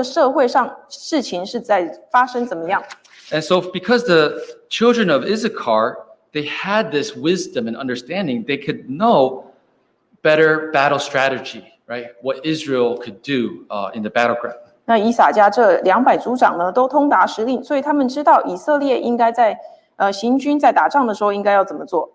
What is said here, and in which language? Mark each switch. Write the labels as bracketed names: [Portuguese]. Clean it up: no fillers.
[Chinese] 那我们当父母的就需要通达时务，要知道我们现在在活在这个社会上，事情是在发生怎么样。 [English] And so because the children of Issachar, they had this wisdom and understanding, they could know better battle strategy, right? What Israel could do in the battleground. [Chinese] 那以撒迦这200族长呢，都通达时令，所以他们知道以色列应该在行军在打仗的时候应该要怎么做。